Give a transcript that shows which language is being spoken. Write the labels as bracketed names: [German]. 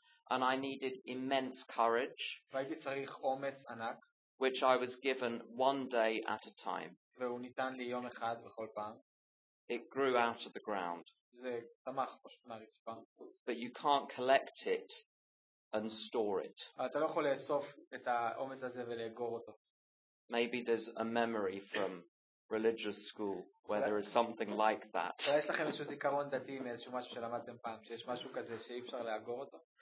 [English] and I needed immense courage, [Hebrew] והייתי צריך אומץ ענק, [English] which I was given one day at a time. [Hebrew] והוא ניתן לי יום אחד בכל פעם. [English] It grew out of the ground. [Hebrew] זה צמח פשוט מהרצפה. [English] But you can't collect it and store it. [Hebrew] אתה לא יכול לאסוף את האומץ הזה ולאגור אותו. [English] Maybe there's a memory from religious school where there is something like that. [Hebrew] יש לכם איזשהו זיכרון דתי מאיזשהו משהו שלמדתם פעם, שיש משהו כזה שאי אפשר לאגור אותו?